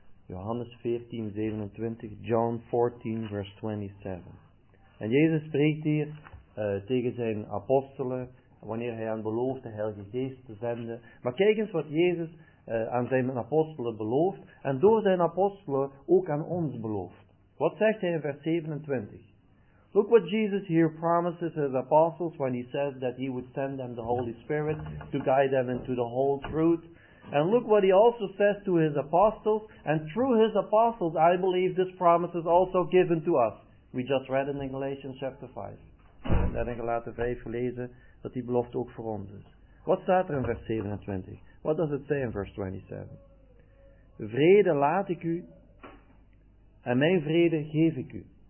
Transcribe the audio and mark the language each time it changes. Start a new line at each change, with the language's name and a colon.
Dutch: Johannes 14, 27.
English: John 14, verse 27.
Dutch: En Jezus spreekt hier tegen zijn apostelen, wanneer hij aan belooft de Heilige Geest te zenden. Maar kijk eens wat Jezus aan zijn apostelen belooft en door zijn apostelen ook aan ons belooft. Wat zegt hij in vers 27?
English: Look what Jesus here promises his apostles when he says that he would send them the Holy Spirit to guide them into the whole truth. And look what he also says to his apostles, and through his apostles I believe this promise is also given to us. We just read in Galatians chapter 5.
Dutch: En dan in Galaten 5 gelezen dat die belofte ook voor ons is. Wat staat er in vers 27?
English: What does it say in verse 27?
Dutch: Vrede laat ik u, en mijn vrede geef ik u.